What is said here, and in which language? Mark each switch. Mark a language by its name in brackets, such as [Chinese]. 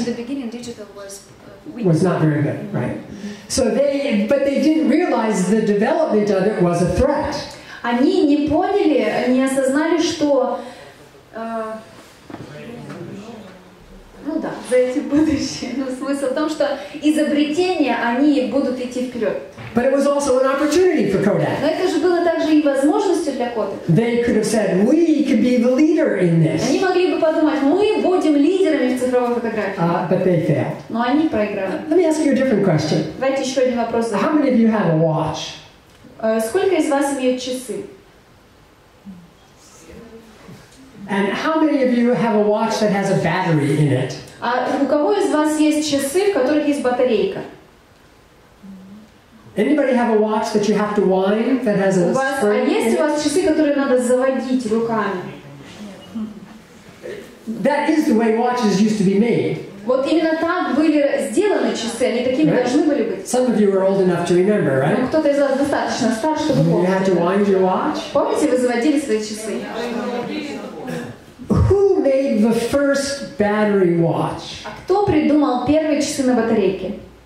[English] In the beginning, digital was was not very good, right? So but they didn't realize the development of it was a threat. [Russian] Они не поняли, не осознали, что ну да, за эти будущее. Но смысл в том, что изобретения, они будут идти вперед. [English] But it was also an opportunity for Kodak. [Russian] Но это же было также и возможностью для Kodak. [English] They could have said, we could be the leader in this. [Russian] Они могли бы подумать, мы будем лидерами в цифровой фотографии. [English] But they failed. [Russian] Но они проиграли. [English] Let me ask you a different question. [Russian] Давайте еще один вопрос задам. [English] How many of you have a watch? [Russian] Сколько из вас имеют часы? [English] And how many of you have a watch that has a battery in it? [Russian] А у кого из вас есть часы, в которых есть батарейка? [English] Anybody have a watch that you have to wind that has a spring? [Russian] А есть у вас часы, которые надо заводить руками? [English] That is the way watches used to be made. [Russian] Вот именно так были сделаны часы, они такими должны были быть. [English] Some of you are old enough to remember, right? [Russian] Ну, кто-то из вас достаточно стар, чтобы помнить. [English] You had to wind your watch? [Russian] Помните, вы заводили свои часы? [English] Who made the first battery watch? [Russian] А кто придумал первые часы на батарейке?